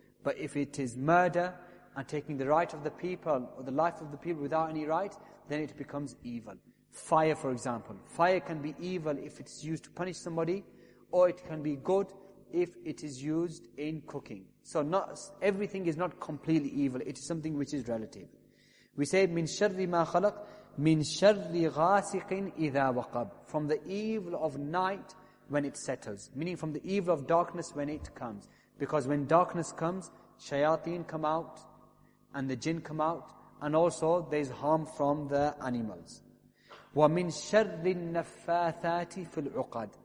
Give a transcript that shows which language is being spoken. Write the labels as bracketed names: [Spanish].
[English] But if it is murder and taking the right of the people or the life of the people without any right, then it becomes evil. Fire, for example. Fire can be evil if it's used to punish somebody, or it can be good if it is used in cooking. So not everything is not completely evil. It is something which is relative. We say, [Arabic] مِن شَرِّ مَا خَلَقْ مِن شَرِّ غَاسِقٍ إِذَا وَقَبْ. [English] From the evil of night when it settles. Meaning from the evil of darkness when it comes. Because when darkness comes, shayateen come out, and the jinn come out, and also there is harm from the animals. [Arabic] وَمِن شَرِّ النَّفَّاثَاتِ فِي الْعُقَدِ.